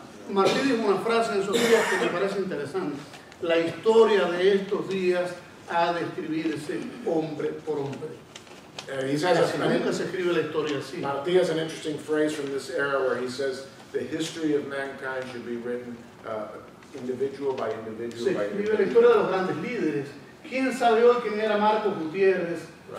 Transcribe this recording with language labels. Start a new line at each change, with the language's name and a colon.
Spanish: Martí dijo una frase en esos días que me parece interesante. La historia de estos días ha de escribirse hombre por hombre.
English: Martí has an interesting phrase from this era where he says the history of mankind should be written individual by individual.
Spanish: Se escribe la historia de los grandes líderes. ¿Quién sabe hoy quién era Marcos Gutiérrez,
English: right.